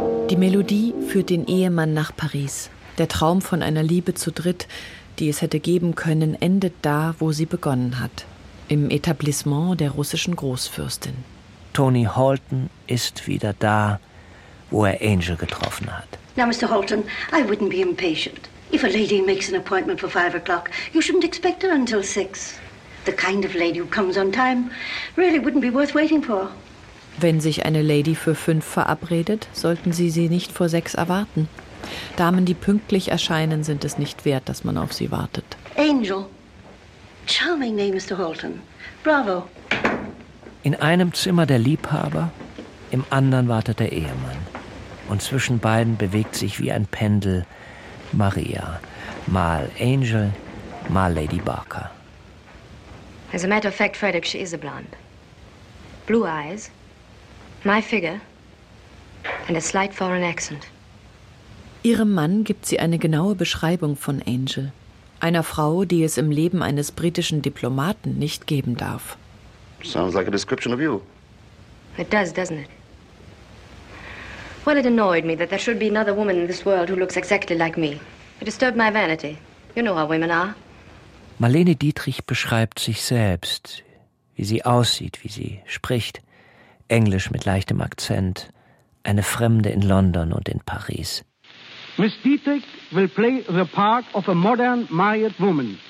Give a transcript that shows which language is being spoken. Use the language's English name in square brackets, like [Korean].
[German] Die Melodie führt den Ehemann nach Paris. Der Traum von einer Liebe zu dritt, die es hätte geben können, endet da, wo sie begonnen hat. Im Etablissement der russischen Großfürstin. Tony Halton ist wieder da, wo er Angel getroffen hat. [English] Now, Mr. Halton, I wouldn't be impatient. If a lady makes an appointment for 5 o'clock, you shouldn't expect her until 6. The kind of lady who comes on time really wouldn't be worth waiting for. [German] Wenn sich eine Lady für 5 verabredet, sollten Sie sie nicht vor 6 erwarten. Damen, die pünktlich erscheinen, sind es nicht wert, dass man auf sie wartet. [English] Angel. Charming name, Mr. Halton. Bravo. [German] In einem Zimmer der Liebhaber, im anderen wartet der Ehemann. Und zwischen beiden bewegt sich wie ein Pendel Maria. Mal Angel, mal Lady Barker. [English] As a matter of fact, Frederick, she is a blonde. Blue eyes, my figure, and a slight foreign accent. [German] Ihrem Mann gibt sie eine genaue Beschreibung von Angel, einer Frau, die es im Leben eines britischen Diplomaten nicht geben darf. [English] Sounds like a description of you. It does, doesn't it? Well, it annoyed me that there should be another woman in this world who looks exactly like me. It disturbed my vanity. You know how women are. [German] Marlene Dietrich beschreibt sich selbst, wie sie aussieht, wie sie spricht. Englisch mit leichtem Akzent. Eine Fremde in London und in Paris. [English] Miss Dietrich will play the part of a modern married woman.